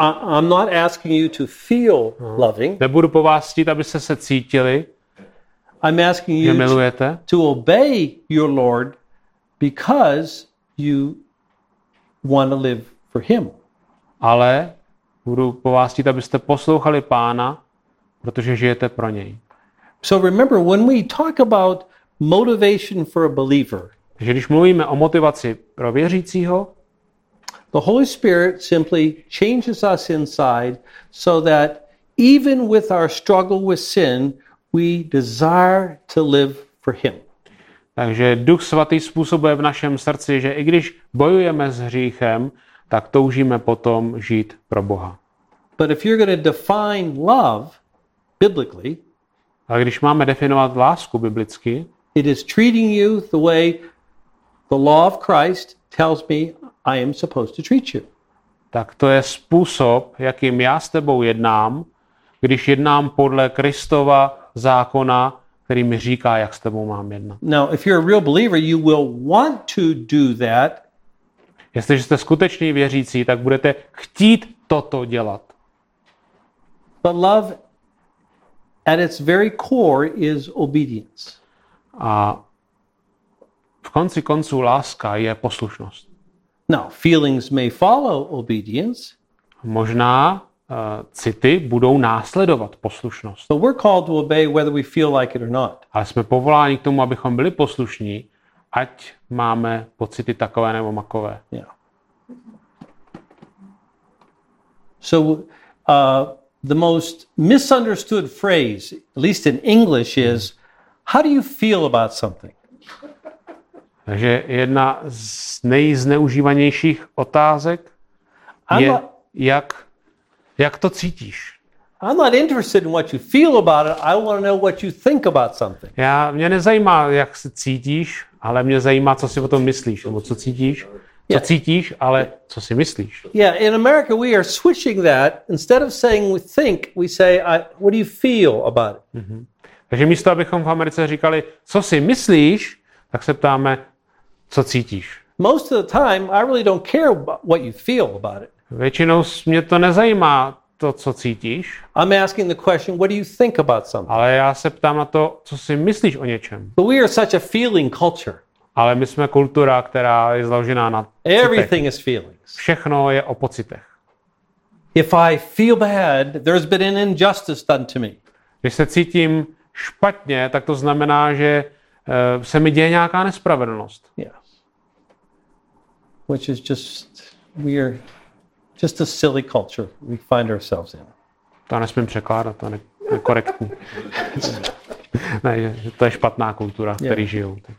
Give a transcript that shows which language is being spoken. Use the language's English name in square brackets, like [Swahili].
[English] I'm not asking you to feel loving. [Czech] Nebudu po vás chtít, abyste se cítili. [English] I'm asking you to obey your Lord because you want to live for him. [Czech] Ale budu po vás chtít, abyste poslouchali Pána, protože žijete pro něj. [English] So remember when we talk about motivation for a believer. [Czech] Takže když mluvíme o motivaci pro věřícího, [English] the Holy Spirit simply changes us inside so that even with our struggle with sin, we desire to live for him. [Czech] Takže Duch Svatý způsobuje v našem srdci, že i když bojujeme s hříchem, tak toužíme potom žít pro Boha. [English] But if you're going to define love biblically, [Czech] a když máme definovat lásku biblicky, [English] it is treating you the way the law of Christ tells me I am supposed to treat you. [Czech] Tak to je způsob, jakým já s tebou jednám, když jednám podle Kristova zákona, který mi říká, jak s tebou mám jednat. [English] Now, if you're a real believer, you will want to do that. [Czech] Jestliže jste skutečně věřící, tak budete chtít toto dělat. [English] But love at its very core is obedience. [Czech] A v konci konců láska je poslušnost. [English] Now, feelings may follow obedience. [Czech] Možná city budou následovat poslušnost. [English] But we're called to obey whether we feel like it or not. [Czech] Ale jsme povoláni k tomu, abychom byli poslušní, ať máme pocity takové nebo makové. [English] Yeah. So the most misunderstood phrase, at least in English, is how do you feel about something? [Czech] Takže jedna z nejzneužívanějších otázek je, jak to cítíš? [English] I'm not interested in what you feel about it. I want to know what you think about something. [Czech] Já mě nezajímá, jak se cítíš, ale mě zajímá, co si o tom myslíš, nebo co cítíš. Co cítíš, ale co si myslíš? [English] Yeah, in America we are switching that. Instead of saying we think, we say what do you feel about it? Mm-hmm. [Czech] Takže místo abychom v Americe říkali, co si myslíš, tak se ptáme, co cítíš. [English] Most of the time I really don't care what you feel about it. [Czech] Většinou mě to nezajímá, to co cítíš. [English] I'm asking the question, what do you think about something? [Czech] Ale já se ptám na to, co si myslíš o něčem. [English] But we are such a feeling culture. [Czech] Ale my jsme kultura, která je založená na pocitech. [English] Everything is feelings. [Czech] Všechno je o pocitech. [English] If I feel bad, there's been an injustice done to me. [Czech] Když se cítím špatně, tak to znamená, že se mi děje nějaká nespravedlnost. [English] Yeah. Which is just we're just a silly culture we find ourselves in. [Czech] To já nesmím překládat, to je nekorektní. Ne, to je špatná kultura, v který žijou.